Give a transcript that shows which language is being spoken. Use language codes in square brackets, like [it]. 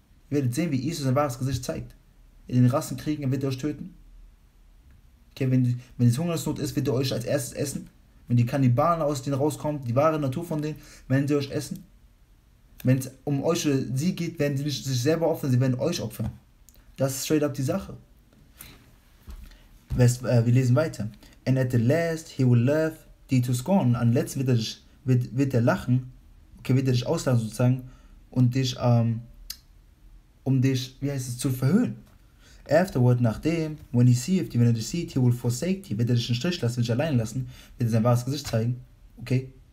[de] Ihr werdet sehen, wie Esau sein wahres Gesicht zeigt. In den Rassenkriegen, er wird euch töten. Okay, wenn es Hungersnot ist, wird er euch als erstes essen. Wenn die Kannibalen aus denen rauskommen, die wahre Natur von denen, werden sie euch essen. Wenn es um euch oder sie geht, werden sie nicht sich selber opfern, sie werden euch opfern. Das ist [en] straight up [de] die Sache. Wir lesen weiter. [en] And at the last he will laugh thee to scorn. [de] Und am letzten wird er lachen, okay, wird er dich auslachen sozusagen, und dich, um dich, wie heißt es, zu verhöhnen. [en] Afterward, [de] nachdem, [en] when he see if thee, [de] wenn er dich sieht, [en] he will forsake thee, [de] wird er dich einen Stich lassen, wird dich allein lassen, wird er sein wahres Gesicht zeigen, okay?